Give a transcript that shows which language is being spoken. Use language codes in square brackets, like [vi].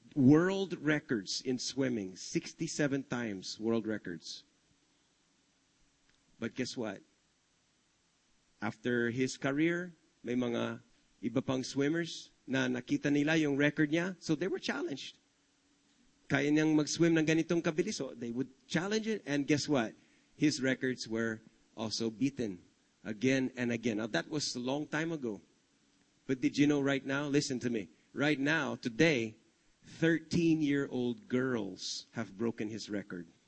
[en] World records in swimming. 67 times world records. But guess what? After his career, [tl] may mga iba pang swimmers na nakita nila yung record niya. [en] So they were challenged. [tl] Kaya niyang mag-swim ng ganitong kabilis. [en] So they would challenge it. And guess what? His records were also beaten again and again. Now that was a long time ago. But did you know right now? Listen to me. Right now, today, 13-year-old girls have broken his record.